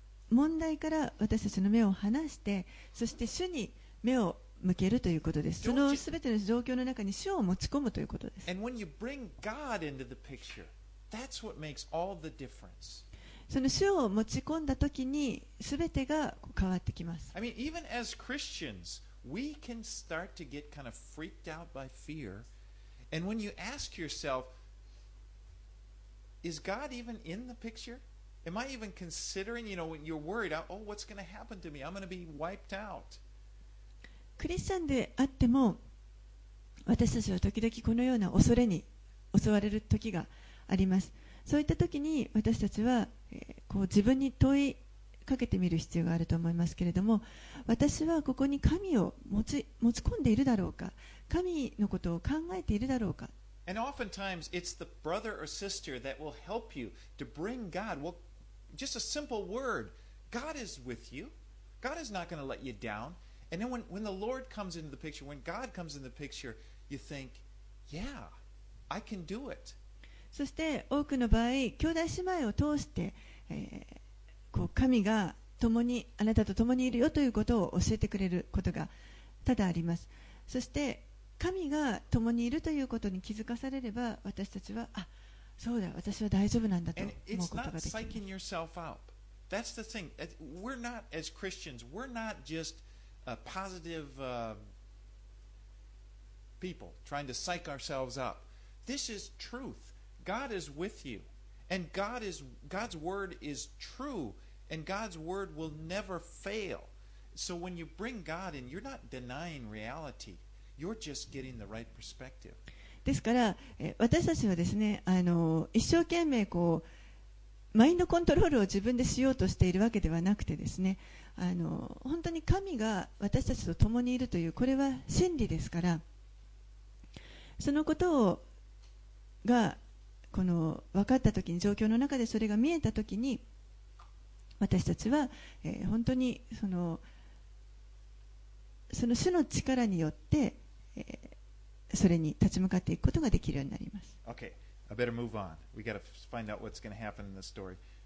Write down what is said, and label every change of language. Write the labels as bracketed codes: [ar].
[ja] 問題から私たちの目を離して、そして主に目を向けるということです。そのすべての状況の中に主を持ち込むということです。 [en] And when you bring God into the picture, that's what makes all the difference. [ja] その主を持ち込んだときに、すべてが変わってきます。 [en] I mean, even as Christians, we can start to get kind of freaked out by fear. And when you ask yourself, is God even in the picture? Am I even considering, you know, when you're worried, oh, what's going to happen to me? I'm going to be wiped out. [ja] クリスチャンであっても、私たちは時々このような恐れに襲われる時があります。そういった時に私たちは、こう自分に問いかけてみる必要があると思いますけれども、私はここに神を持ち込んでいるだろうか、神のことを考えているだろうか。 [en] And oftentimes it's the brother or sister that will help you to bring God. Well, just a simple word. God is with you. God is not going to let you down. And then when the Lord comes into the picture, when God comes into the picture, you think, yeah, I can do it. [ja] そして多くの場合、兄弟姉妹を通して、こう神が共にあなたと共にいるよということを教えてくれることが多々あります。そして神が共にいるということに気づかされれば、私たちは、あ、そうだ、私は大丈夫なんだと思うことができます。 [en] And it's not psyching yourself out. That's the thing. We're not, as Christians, we're not justpositive people trying to psych ourselves up. This is truth. God is with you. And God's word is true. And God's word will never fail. So when you bring God in, you're not denying reality. You're just getting the right perspective. [ja] ですから、私たちはですね、一生懸命こう、マインドコントロールを自分でしようとしているわけではなくてですね、本当に神が私たちと共にいるという、これは真理ですから、そのことをがこの分かったときに、状況の中でそれが見えたときに、私たちは、本当にその主の力によって、それに立ち向かっていくことができるようになります。 [en] OK, I better move on. We gotta find out what's gonna happen in the story.